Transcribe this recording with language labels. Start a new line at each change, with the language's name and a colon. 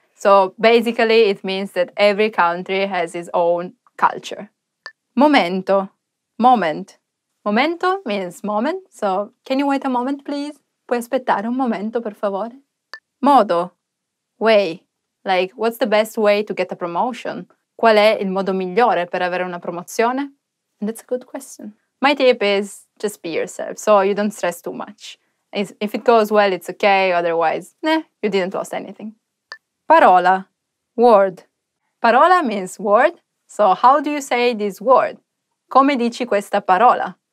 English: So basically, it means that every country has its own culture. Momento, moment. Momento means moment, so can you wait a moment, please?
Italian: Puoi aspettare un momento, per favore?
English: Modo, way. Like, what's the best way to get a promotion?
Italian: Qual è il modo migliore per avere una promozione?
English: And that's a good question. My tip is just be yourself, so you don't stress too much. If it goes well, it's okay. Otherwise, you didn't lose anything. Parola, word. Parola means word. So how do you say this word?
Italian: Come dici questa parola?